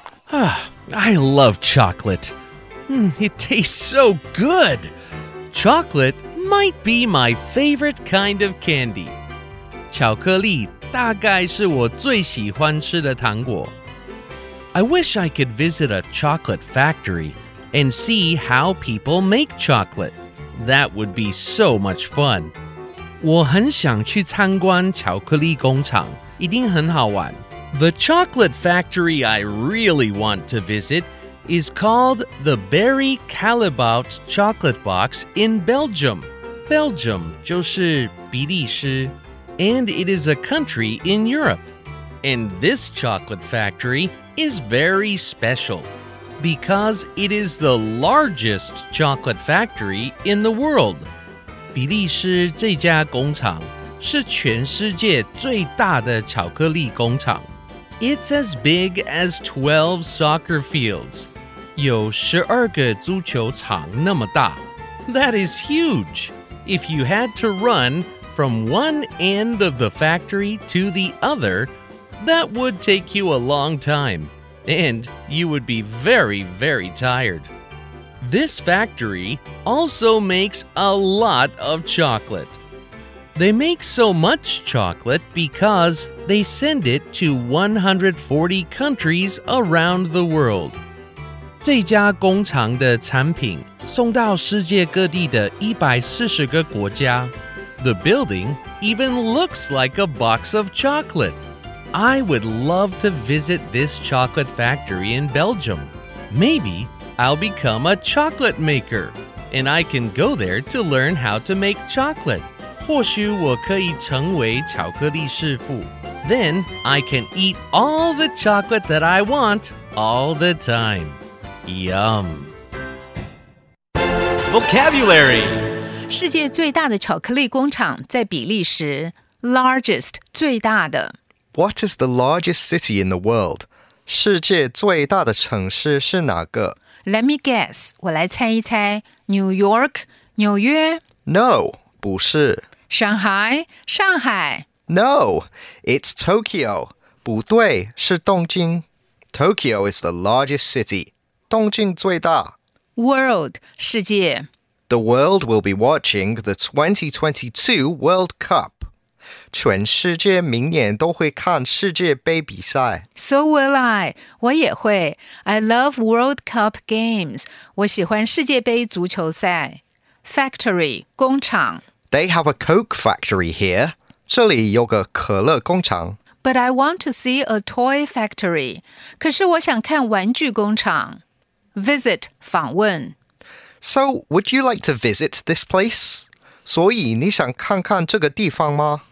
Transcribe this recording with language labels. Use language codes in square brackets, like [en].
[en] I love chocolate. It tastes so good. Chocolate might be my favorite kind of candy. [zh] 巧克力大概是我最喜欢吃的糖果。 [en] I wish I could visit a chocolate factory and see how people make chocolate. That would be so much fun. [zh] 我很想去参观巧克力工厂，一定很好玩。 [en] The chocolate factory I really want to visit is called the Barry Callebaut Chocolate Box in Belgium. Belgium [zh] 就是比利时 [en] and it is a country in Europe. And this chocolate factory is very special because it is the largest chocolate factory in the world. [zh] 比利时这家工厂是全世界最大的巧克力工厂。 [en] It's as big as 12 soccer fields. [zh] 有十二个足球场那么大。 [en] That is huge. If you had to run from one end of the factory to the other, that would take you a long time. And you would be very, very tired. This factory also makes a lot of chocolate. They make so much chocolate because they send it to 140 countries around the world. [zh] 这家工厂的产品送到世界各地的140个国家。 [en] The building even looks like a box of chocolate. I would love to visit this chocolate factory in Belgium. Maybe I'll become a chocolate maker, and I can go there to learn how to make chocolate. [zh] 或许我可以成为巧克力师傅。 [en] Then I can eat all the chocolate that I want all the time. Yum. Vocabulary. [zh] 世界最大的巧克力工厂在比利时。 Largest, 最大的。 [en] What is the largest city in the world? [zh] 世界最大的城市是哪个? [en] Let me guess. [zh] 我来猜一猜。 [en] New York, 纽约。 [zh] No, 不是。 Shanghai, 上海。 [en] No, it's Tokyo. [zh] 不对，是东京。 [en] Tokyo is the largest city. [zh] 东京最大。 World, 世界。 [en] The world will be watching the 2022 World Cup. [zh] 全世界明年都会看世界杯比赛。 [en] So will I. [zh] 我也会。 [en] I love World Cup games. [zh] 我喜欢世界杯足球赛。Factory, 工厂。 [en] They have a Coke factory here. [zh] 这里有个可乐工厂。 [en] But I want to see a toy factory. [zh] 可是我想看玩具工厂。Visit, 访问。 [en] So, would you like to visit this place? [zh] 所以你想看看这个地方吗?